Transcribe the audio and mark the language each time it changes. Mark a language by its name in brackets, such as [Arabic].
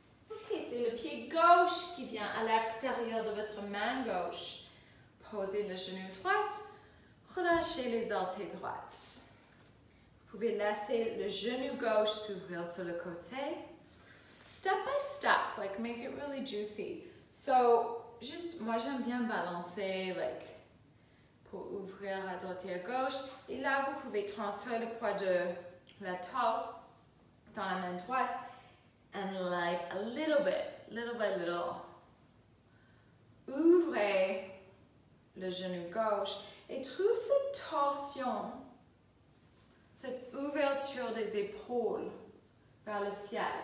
[French] Okay, c'est le pied gauche qui vient à l'extérieur de votre main gauche. Posez le genou droit, relâchez les orteils droits. Vous pouvez laisser le genou gauche s'ouvrir sur le côté. [English] Step by step, like make it really juicy. [French] So, juste, moi j'aime bien balancer, like, pour ouvrir à droite et à gauche. Et là, vous pouvez transférer le poids de la torse dans la main droite. [English] And like a little bit, little by little, [French] ouvrez le genou gauche et trouve cette torsion, cette ouverture des épaules vers le ciel.